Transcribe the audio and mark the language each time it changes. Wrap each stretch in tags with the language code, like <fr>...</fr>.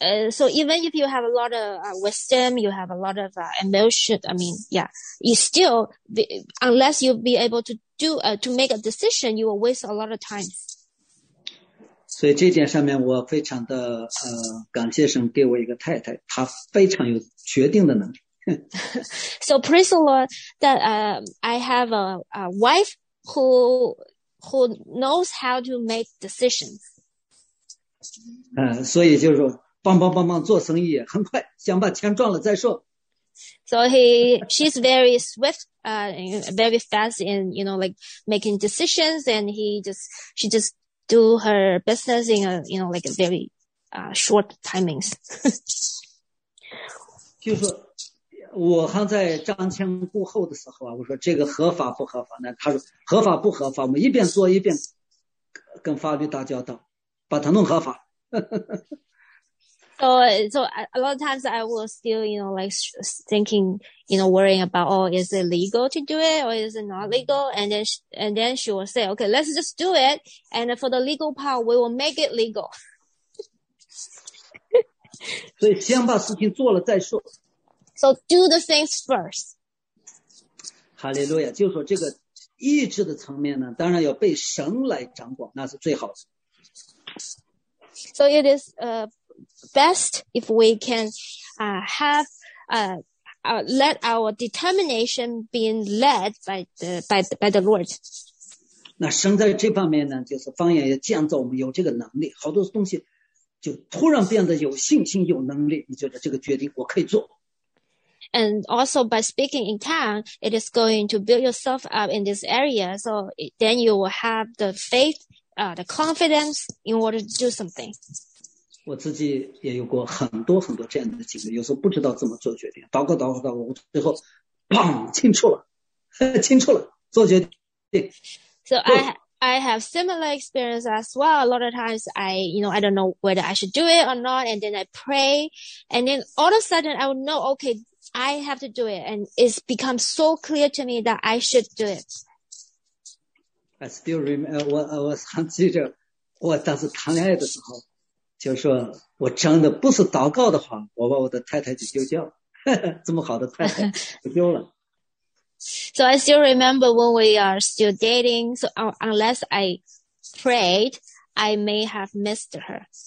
<en>So even if you have a lot of wisdom, you have a lot of emotion, I mean, yeah, you still, unless you be able to do, to make a decision, you will waste a lot of time.</en> <zh>所以这点上面我非常的感谢神给我一个太太，她非常有决定的能力。</zh> <en>So praise the Lord that I have a wife who knows how to make decisions.</en> <zh>所以就是说帮帮帮帮做生意很快想把钱赚了再说。</zh> <en>So she's very swift, very fast in, you know, like making decisions and she just do her business in a, you know, like a very, short timings.</en> <zh>就是我还在瞻前顾后的时候啊，我说这个合法不合法呢？他说合法不合法，我们一边做一边跟法律打交道，把它弄合法。</zh> <en>So a lot of times I was still, you know, like thinking, you know, worrying about, oh, is it legal to do it or is it not legal? And then she will say, okay, let's just do it. And for the legal part, we will make it legal.</en> <zh>所以先把事情做了再说。</zh> <en>So do the things first.</en> <zh>Hallelujah. 就是说这个意志的层面呢，当然要被神来掌管，那是最好的。</zh> <en>So it is, best if we can have let our determination being led by the Lord.</en> <zh>那神在这方面呢，就是方言也建造我们有这个能力，好多东西就突然变得有信心、有能力。你觉得这个决定我可以做。</zh> <en>And also by speaking in tongue, it is going to build yourself up in this area. So then you will have the faith, the confidence in order to do something.</en> <zh>我自己也有过很多很多这样的经历，有时候不知道怎么做决定，祷告祷告祷告，我最后，砰，清楚了，清楚了，做决定。</zh> <en>So I have similar experience as well. A lot of times I don't know whether I should do it or not, and then I pray, and then all of a sudden I will know, okay, I have to do it, and it's become so clear to me that I should do it. I still remember,</en> <zh>我还记着，我当时谈恋爱的时候。就是说我真的不是祷告的话，我把我的太太就丢掉了。这么好的太太就丢了。</zh> <en>So I still remember when we are still dating, so unless I prayed, I may have missed her.</en>